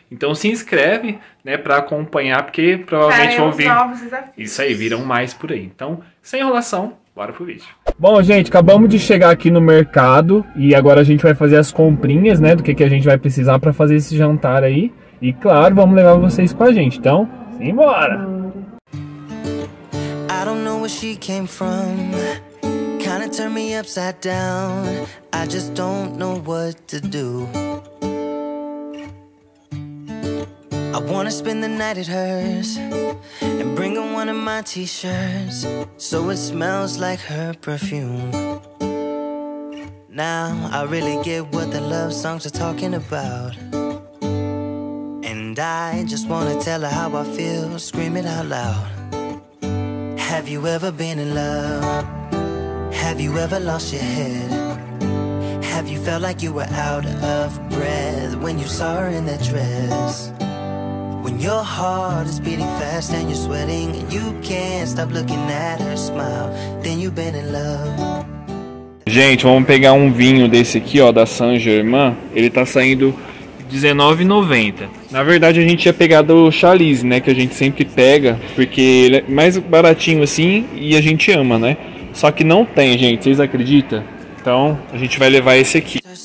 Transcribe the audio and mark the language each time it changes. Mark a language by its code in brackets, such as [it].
[pt] Então se inscreve, né, pra acompanhar, porque provavelmente vão vir novos desafios. Isso aí, viram mais por aí. Então, sem enrolação, bora pro vídeo. Bom, gente, acabamos de chegar aqui no mercado e agora a gente vai fazer as comprinhas, né, do que a gente vai precisar pra fazer esse jantar aí. E claro, vamos levar vocês com a gente. Então, simbora! [en] I don't know where she came from. Kinda turned me upside down. I just don't know what to do. I wanna spend the night at hers and bring her one of my t-shirts so it smells like her perfume. Now I really get what the love songs are talking about. And I just wanna tell her how I feel, scream it out loud. Have you ever been in love? Have you ever lost your head? Have you felt like you were out of breath when you saw her in that dress? When your heart is beating fast and you're sweating and you can't stop looking at her smile, then you've been in love. [pt] Gente, vamos pegar um vinho desse aqui, ó, da Saint-Germain. Ele tá saindo R$19,90. Na verdade, a gente ia pegar do Chalice, né? Que a gente sempre pega, porque ele é mais baratinho assim e a gente ama, né? Só que não tem, gente. Vocês acreditam? Então, a gente vai levar esse aqui.